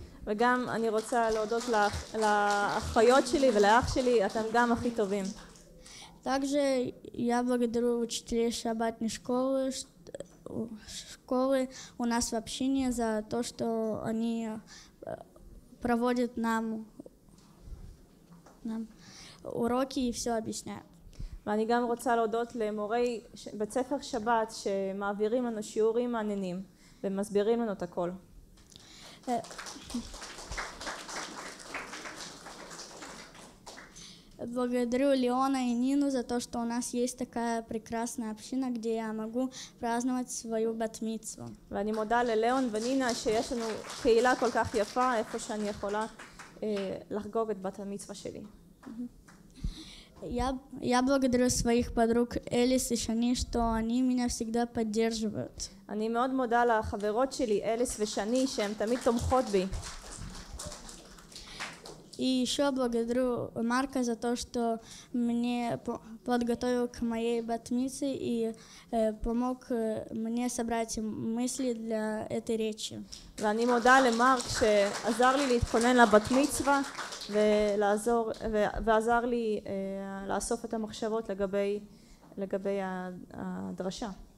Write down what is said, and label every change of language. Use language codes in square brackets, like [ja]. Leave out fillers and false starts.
[he] וגם אני רוצה להודות לאחיות שלי ולאח שלי, אתם גם הכי טובים. [ru] Также я благодарю учителей шабатной школы, у нас в общине за то, что они проводят нам уроки и все объясняют. [he] ואני גם רוצה להודות למורי בית ספר שבת שמעבירים לנו שיעורים מעניינים ומסבירים לנו את הכל. [ru] Благодарю Леона и Нину за то, что у нас есть такая прекрасная община, где я могу праздновать свою бат-мицву. [he] ואני מודה ללאון ונינה שיש לנו קהילה כל כך יפה איפה שאני יכולה לחגוג את בת-המצווה שלי. [ru] Я благодарю своих подруг Элис и Шани, что они меня всегда поддерживают. [he] אני מאוד מודה לחברות שלי אליס ושני שהן תמיד תומכות בי. [ru] И ещё благодарю Марка за то, что мне подготовил к моей бат-мицве и помог мне собрать мысли для этой речи. [he] ואני מודה למרק שעזר לי להתכונן לבת-מצווה ולעזור ועזר לי לאסוף את המחשבות לגבי הדרשה.